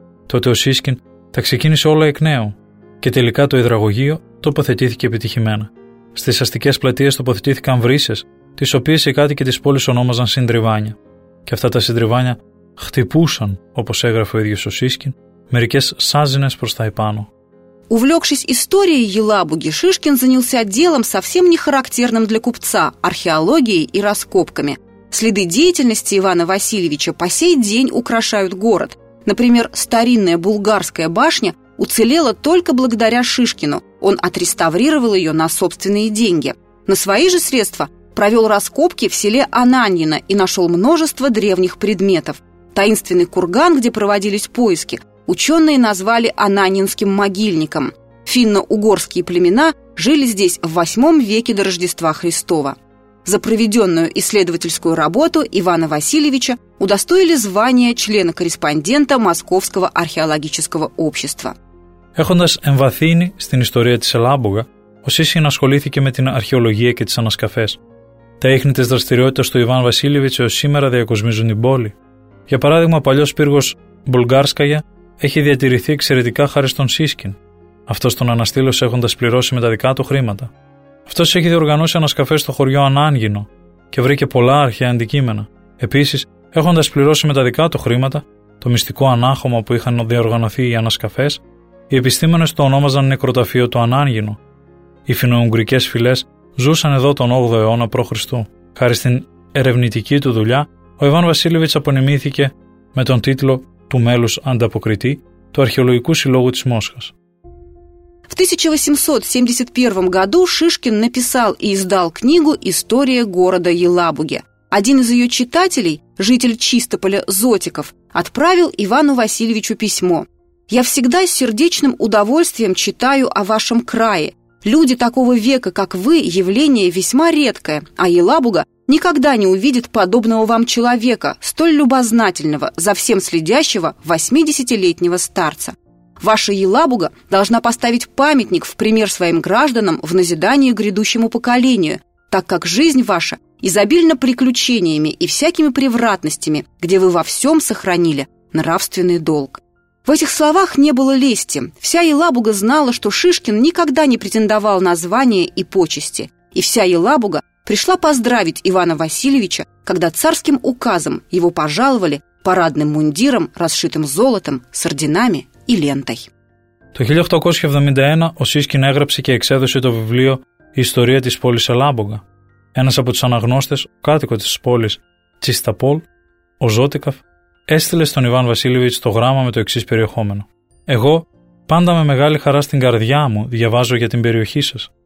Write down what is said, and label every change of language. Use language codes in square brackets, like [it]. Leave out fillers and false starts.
[el] Τότε ο Σίσκιν τα ξεκίνησε όλα εκ νέου και τελικά το υδραγωγείο τοποθετήθηκε επιτυχημένα. Στις αστικές πλατείες τοποθετήθηκαν βρύσες, τις οποίες οι κάτοικοι της πόλης ονόμαζαν συντριβάνια. Και αυτά τα συντριβάνια χτυπούσαν, όπως έγραφε ο ίδιος ο Σίσκιν, μερικές σάζινες προς τα επάνω. [ru] Увлекшись историей Елабуги, Шишкин занялся делом совсем не характерным для купца – археологией и раскопками. Следы деятельности Ивана Васильевича по сей день украшают город. Например, старинная Булгарская башня уцелела только благодаря Шишкину. Он отреставрировал ее на собственные деньги. На свои же средства провел раскопки в селе Ананьино и нашел множество древних предметов. Таинственный курган, где проводились поиски, ученые назвали Ананьинским могильником. Финно-угорские племена жили здесь в 8 веке до Рождества Христова. За проведенную исследовательскую работу Ивана Васильевича удостоили звания члена-корреспондента Московского археологического общества. [el] Έχοντας εμβαθύνει στην ιστορία της Ελάμπουγα, ο Σίσκιν ασχολήθηκε με την αρχαιολογία και τις ανασκαφές. Τα ίχνη της δραστηριότητας του Ιβάν Βασίλεβιτς έως σήμερα διακοσμίζουν την πόλη. Για παράδειγμα, ο παλιός πύργος Μπουλγκάρσκαγια έχει διατηρηθεί εξαιρετικά χάρη στον Σίσκιν. Αυτός τον αναστήλωσε έχοντας πληρώσει με τα δικά του χρήματα. Αυτός έχει διοργανώσει ανασκαφές στο χωριό Ανάγινο και βρήκε πολλά αρχαία αντικείμενα. Επίσης, έχοντας πληρώσει με τα δικά του χρήματα το μυστικό ανάχωμα που είχαν διοργανωθεί οι ανασκαφές, οι επιστήμονες το ονόμαζαν νεκροταφείο του Ανάγινο. Οι φινοουγγρικές φυλές ζούσαν εδώ τον 8ο αιώνα π.Χ. Χάρη στην ερευνητική του δουλειά, ο Ιβάν Βασίλεβιτς απονεμήθηκε με τον τίτλο του μέλους ανταποκριτή του Αρχαιολογικού Συλλόγου της Μόσχας. [ru] В 1871 году Шишкин написал и издал книгу «История города Елабуги». Один из ее читателей, житель Чистополя Зотиков, отправил Ивану Васильевичу письмо. «Я всегда с сердечным удовольствием читаю о вашем крае. Люди такого века, как вы, явление весьма редкое, а Елабуга никогда не увидит подобного вам человека, столь любознательного, за всем следящего 80-летнего старца». Ваша Елабуга должна поставить памятник в пример своим гражданам в назидание грядущему поколению. так как жизнь ваша изобильна приключениями и всякими превратностями, где вы во всем сохранили нравственный долг». В этих словах не было лести. Вся Елабуга знала, что Шишкин никогда не претендовал на звание и почести. И вся Елабуга пришла поздравить Ивана Васильевича, когда царским указом его пожаловали парадным мундиром, расшитым золотом, с орденами и лентой. [el] Το 1871 ο Σίσκιν έγραψε και εξέδωσε το βιβλίο «Η ιστορία της πόλης Ελάμπογα». Ένας από τους αναγνώστες, ο κάτοικος της πόλης Τσισταπόλ, ο Ζώτικαφ, έστειλε στον Ιβάν Βασίλειβιτς το γράμμα με το εξής περιεχόμενο. «Εγώ, πάντα με μεγάλη χαρά στην καρδιά μου, διαβάζω για την περιοχή σας.